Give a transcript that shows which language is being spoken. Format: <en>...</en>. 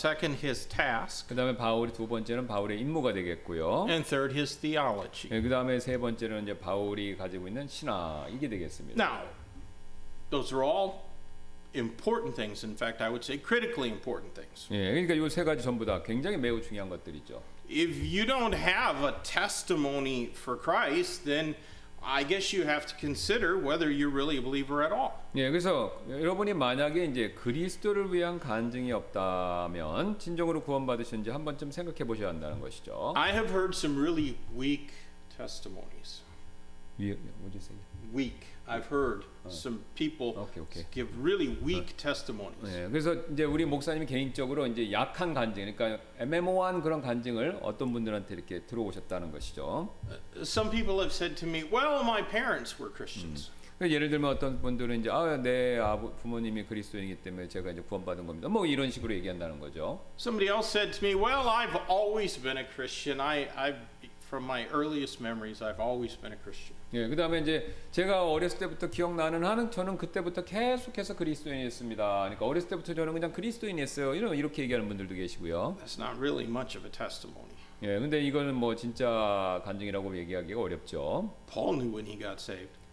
<en>Second, his task.</en> <ko>그다음에 바울이 두 번째는 바울의 임무가 되겠고요.</ko> <en>And third, his theology.</en> <ko>예, 그다음에 세 번째는 이제 바울이 가지고 있는 신앙 이게 되겠습니다.</ko> <en>Now, those are all. Important things. In fact, I would say critically important things.</en> <ko>예, 그러니까 이 세 가지 전부 다 굉장히 매우 중요한 것들이죠.</ko> <en>If you don't have a testimony for Christ, then I guess you have to consider whether you're really a believer at all.</en> <ko>예, 그래서 여러분이 만약에 이제 그리스도를 위한 간증이 없다면 진정으로 구원받으신지 한 번쯤 생각해 보셔야 한다는 것이죠.</ko> <en>I have heard some really weak testimonies. What did you say? Weak. I've heard some people give really weak testimonies.</en> <ko>네, 그래서 이제 우리 목사님이 개인적으로 이제 약한 간증, 그러니까 애매모호한 그런 간증을 어떤 분들한테 이렇게 들어오셨다는 것이죠.</ko> <en>Some people have said to me, "Well, my parents were Christians."</en> <ko>예를 들면 어떤 분들은 이제 아, 내 부모님이 그리스도인이기 때문에 제가 이제 구원받은 겁니다. 뭐 이런 식으로 얘기한다는 거죠.</ko> <en>Somebody else said to me, "Well, I've always been a Christian. From my earliest memories, I've always been a Christian."</en> <ko>예, 그다음에 이제 제가 어렸을 때부터 기억나는 하는 저는 그때부터 계속해서 그리스도인이었습니다. 그러니까 어렸을 때부터 저는 그냥 그리스도인이었어요. 이렇게 얘기하는 분들도 계시고요.</ko> <en>That's not really much of a testimony.</en> <ko>예, 근데 이거는 뭐 진짜 간증이라고 얘기하기가 어렵죠.</ko> <en>Paul knew when he got saved.</en>